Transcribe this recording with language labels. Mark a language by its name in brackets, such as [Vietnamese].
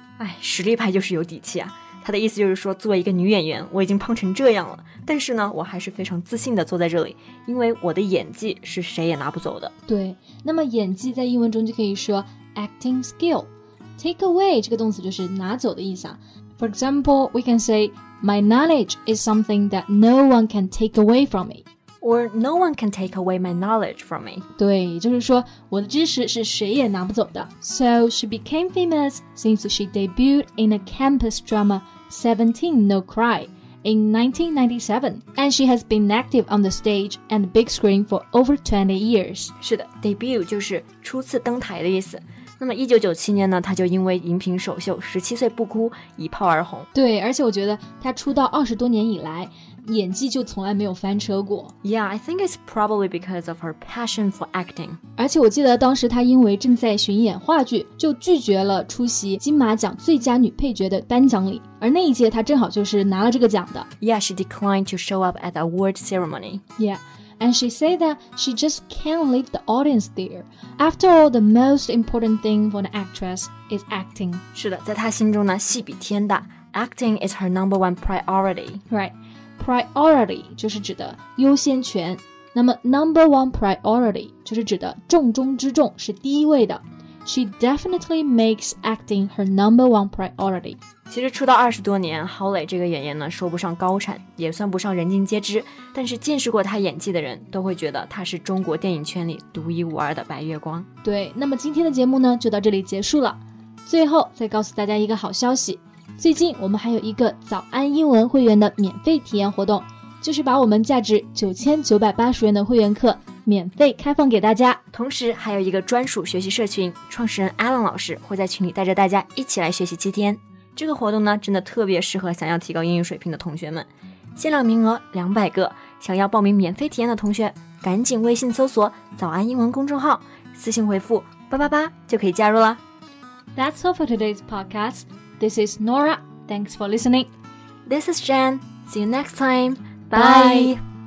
[Chinese] 哎，实力派就是有底气啊他的意思就是说作为一个女演员我已经胖成这样了但是呢我还是非常自信的坐在这里因为我的演技是谁也拿不走的对那么演技在英文中就可以说 acting skill take away 这个动词就是拿走的意思、啊、 [English] for example we can say my knowledge is something that no one can take away from me or no one can take away my knowledge from me [Chinese] 对就是说我的知识是谁也拿不走的 [English] so she became famous since she debuted in a campus drama 17 No Cry in 1997 and she has been active on the stage and big screen for over 20 years [Chinese] 是的 debut 就是初次登台的意思那么1997年呢她就因为荧屏首秀17岁不哭一炮而红对而且我觉得她出道20多年以来演技就从来没有翻车过 [English] Yeah, I think it's probably because of her passion for acting [Chinese] 而且我记得当时她因为正在巡演话剧就拒绝了出席金马奖最佳女配角的颁奖礼而那一届她正好就是拿了这个奖的 [English] Yeah, she declined to show up at the award ceremony Yeah, and she said that she just can't leave the audience there After all, the most important thing for an actress is acting [Chinese] 是的在她心中呢戏比天大 [English] Acting is her number one priority [Chinese] RightPriority 就是指的优先权那么 number one priority 就是指的重中之重是第一位的 [English] She definitely makes acting her number one priority [Chinese] 其实出道二十多年郝蕾这个演员呢说不上高产也算不上人尽皆知但是见识过她演技的人都会觉得她是中国电影圈里独一无二的白月光对那么今天的节目呢就到这里结束了最后再告诉大家一个好消息最近我们还有一个早安英文会员的免费体验活动就是把我们价值9980元的会员课免费开放给大家同时还有一个专属学习社群创始人 Alan 老师会在群里带着大家一起来学习7天这个活动呢真的特别适合想要提高英语水平的同学们限量名额200个想要报名免费体验的同学赶紧微信搜索早安英文公众号私信回复888就可以加入了 [English] That's all for today's podcast This is Nora. Thanks for listening. This is Jen. See you next time. Bye.